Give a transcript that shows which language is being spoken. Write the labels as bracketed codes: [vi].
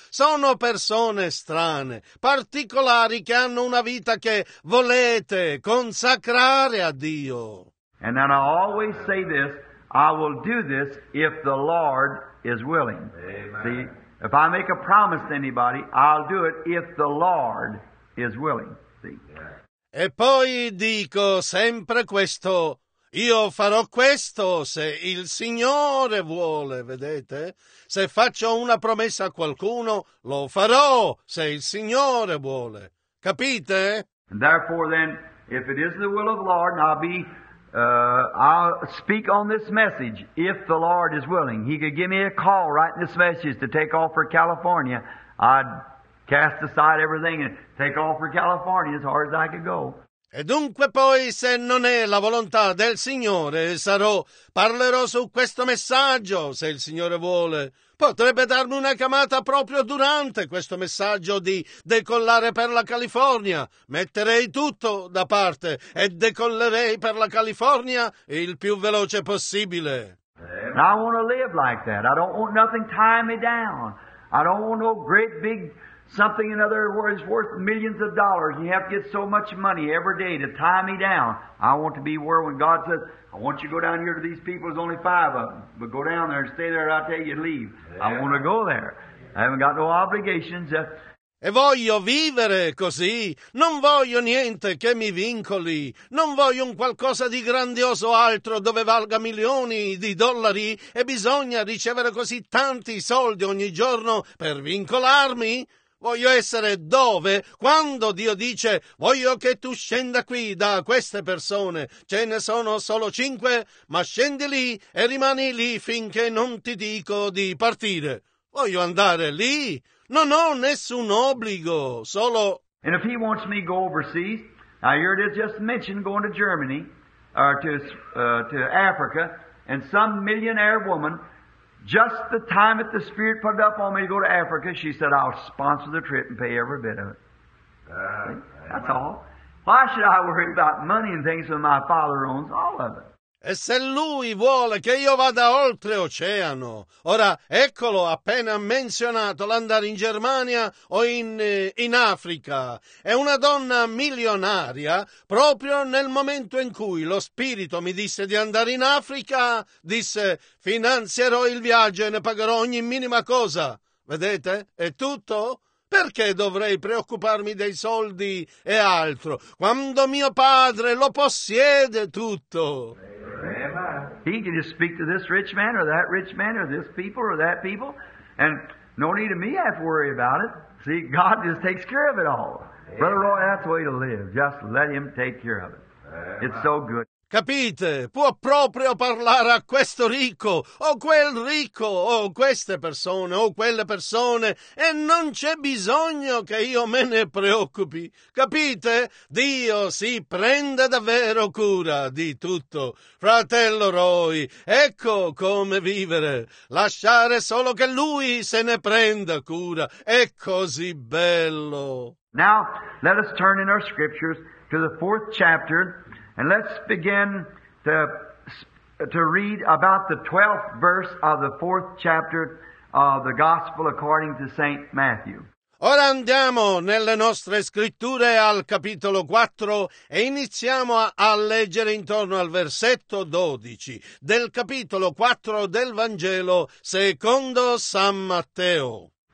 [it] Sono persone strane, particolari che hanno una vita che volete consacrare a Dio. [en] And then I always say this, I will do this if the Lord is willing. Amen. See, if I make a promise to anybody, I'll do it if the Lord is willing. See. [it] E poi dico sempre questo, io farò questo se il Signore vuole, vedete? Se faccio una promessa a qualcuno, lo farò se il Signore vuole. Capite? [en] And therefore then, if it is the will of the Lord, and I'll be... I'll speak on this message if the Lord is willing. He could give me a call right in this message to take off for California. I'd cast aside everything and take off for California as hard as I could go. [it] E dunque poi, se non è la volontà del Signore, parlerò su questo messaggio, se il Signore vuole. Potrebbe darmi una chiamata proprio durante questo messaggio di decollare per la California. Metterei tutto da parte e decollerei per la California il più veloce possibile. [en] I want to live like that. I don't want nothing tie me down. I don't want no great big... something in other words worth millions of dollars. You have to get so much money every day to tie me down. I want to be where when God says, I want you to go down here to these people, there's only five of them. But go down there and stay there and I'll tell you to leave. Yeah. I want to go there. I haven't got no obligations. [it] E voglio vivere così, non voglio niente che mi vincoli, non voglio un qualcosa di grandioso altro dove valga milioni di dollari e bisogna ricevere così tanti soldi ogni giorno per vincolarmi. Voglio essere dove? Quando Dio dice, voglio che tu scenda qui da queste persone, ce ne sono solo cinque, ma scendi lì e rimani lì finché non ti dico di partire. Voglio andare lì. Non ho nessun obbligo, solo... [en] And if he wants me to go overseas, now here it is just mentioned going to Germany, or to Africa, and some millionaire woman, just the time that the Spirit put it up on me to go to Africa, she said, I'll sponsor the trip and pay every bit of it. That's all. Why should I worry about money and things when my father owns all of it? [it] E se lui vuole che io vada oltreoceano, ora eccolo appena menzionato l'andare in Germania o in Africa, è una donna milionaria, proprio nel momento in cui lo spirito mi disse di andare in Africa, disse finanzierò il viaggio e ne pagherò ogni minima cosa, vedete, è tutto? Perché dovrei preoccuparmi dei soldi e altro, quando mio padre lo possiede tutto? [en] He can just speak to this rich man or this people or that people, and no need of me have to worry about it. See, God just takes care of it all. Amen. Brother Roy, that's the way to live. Just let him take care of it. Amen. It's so good. [it] Capite? Può proprio parlare a questo ricco, o quel ricco, o queste persone, o quelle persone, e non c'è bisogno che io me ne preoccupi. Capite? Dio si prende davvero cura di tutto. Fratello Roy, ecco come vivere. Lasciare solo che lui se ne prenda cura. È così bello. [en] Now, let us turn in our scriptures to the fourth chapter. And let's begin to read about the 12th verse of the fourth chapter of the Gospel according to St. Matthew. [it] Ora andiamo nelle nostre scritture al capitolo 4 e iniziamo a leggere intorno al versetto 12 del capitolo 4 del Vangelo secondo San Matteo.